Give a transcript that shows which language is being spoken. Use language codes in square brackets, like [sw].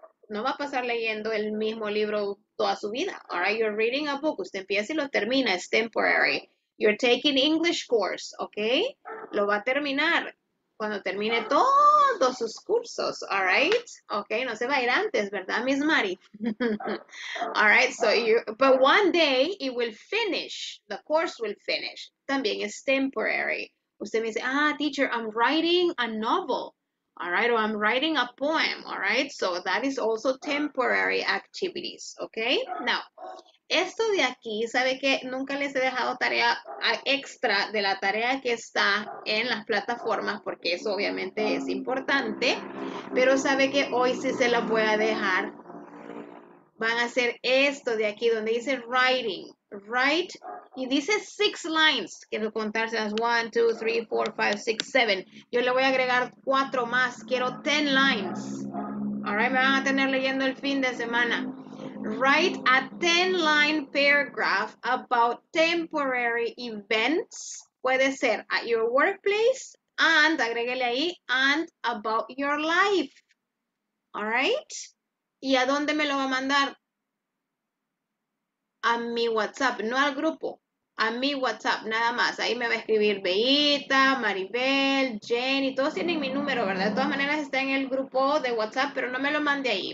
[es] No va a pasar leyendo el mismo libro toda su vida, [en] all right? You're reading a book. [es] Usted empieza y lo termina. [en] It's temporary. You're taking English course, okay? [es] Lo va a terminar cuando termine todo. Todos sus cursos, [en] all right? [es] Okay, no se va a ir antes, ¿verdad, Miss Mari? [en] All right, so you, but one day it will finish, the course will finish. [es] También es temporary. Usted me dice, [en] teacher, I'm writing a novel, all right, or I'm writing a poem, all right? So that is also temporary activities, okay? [es] Now, esto de aquí, ¿sabe qué? Nunca les he dejado tarea extra de la tarea que está en las plataformas, porque eso obviamente es importante, pero ¿sabe qué? Hoy sí se la voy a dejar. Van a hacer esto de aquí, donde dice writing, right? Y dice 6 lines, quiero contarse las 1, 2, 3, 4, 5, 6, 7. Yo le voy a agregar 4 más, quiero 10 lines. All right, me van a tener leyendo el fin de semana. [en] Write a 10-line paragraph about temporary events [es] Puede ser [en] at your workplace, and [es] agréguele ahí, [en] and about your life. All right? [es] ¿Y a dónde me lo va a mandar? A mi WhatsApp, no al grupo. A mi WhatsApp, nada más. Ahí me va a escribir Beita, Maribel, Jenny. Todos tienen mi número, ¿verdad? De todas maneras, está en el grupo de WhatsApp, pero no me lo mande ahí.